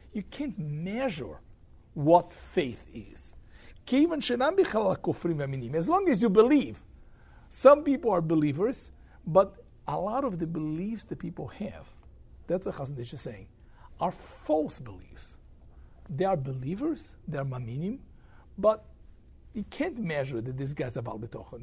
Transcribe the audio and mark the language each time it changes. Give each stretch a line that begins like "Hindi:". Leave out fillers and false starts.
English: You can't measure what faith is.
Hebrew: כיוון שאינם בכלל הכופרים והמינים.
English: As long as you believe. Some people are believers, but a lot of the beliefs the people have, that's what Chazon Ish is saying, are false beliefs. They are believers, they are maminim, but you can't measure that this guy's a Baal Bitochen.